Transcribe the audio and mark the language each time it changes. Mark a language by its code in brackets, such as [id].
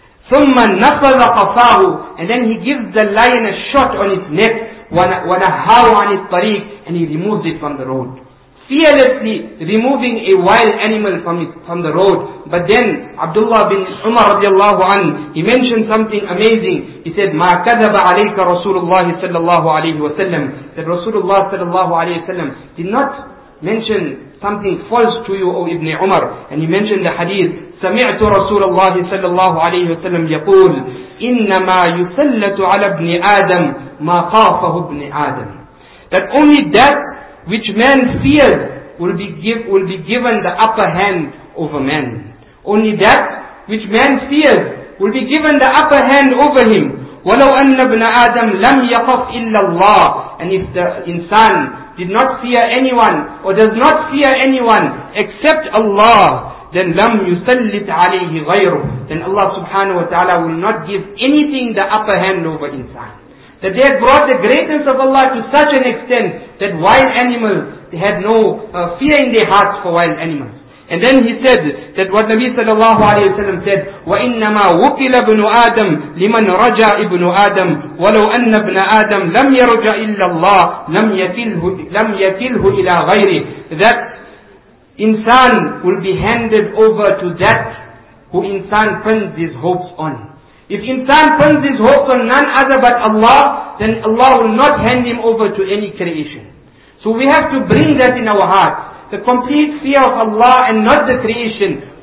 [ar] ثُمَّ نَفَذَ قَفَاهُ. [en] And then he gives the lion a shot on its neck. [ar] وَنَهَاهُ عَنِ الطَّرِيقِ. [en] And he removes it from the road. Fearlessly removing a wild animal from the road. But then Abdullah bin Umar radiallahu anhu, he mentioned something amazing. He said, [ar] مَا كَذَبَ عَلَيْكَ رَسُولُ اللَّهِ صَلَّى اللَّهُ عَلَيْهِ وَسَلَّمُ. [en] That Rasulullah sallallahu alayhi wa sallam did not mention something false to you, O Ibn Umar. And he mentioned the hadith, [ar] سَمِعْتُ رَسُولَ اللَّهِ صَلَّى اللَّهُ عَلَيْهِ وَسَلَّمْ يَقُولُ إِنَّمَا يُسَلَّتُ عَلَى ابْنِ آدَمُ مَا خَافَهُ ابْنِ آدَمُ. [en] That only that which man fears will be given the upper hand over man. Only that which man fears will be given the upper hand over him. [ar] وَلَوْ أَنَّ ابْنَ آدَمْ لَمْ يَخَفْ إِلَّا اللَّهِ. [en] And if the insan did not fear anyone or does not fear anyone except Allah, then [ar] لَمْ يُسَلِّتْ عَلَيْهِ غَيْرُ. [en] Then Allah subhanahu wa ta'ala will not give anything the upper hand over insan. That they had brought the greatness of Allah to such an extent that wild animals, they had no fear in their hearts for wild animals. And then he said that what Nabi sallallahu alayhi wa sallam said, [ar] وَإِنَّمَا وُكِلَ ابْنُ آدَمْ لِمَنْ رَجَى ابْنُ آدَمْ وَلَوْ أَنَّ ابْنَ آدَمْ لَمْ يَرُجَى إِلَّا اللَّهِ لَمْ يَتِلْهُ إِلَى غَيْرِهِ. [en] That insan will be handed over to that who insan pins his hopes on. If insan pins his hopes on none other but Allah, then Allah will not hand him over to any creation. So we have to bring that in our hearts. The complete fear of Allah and not the creation.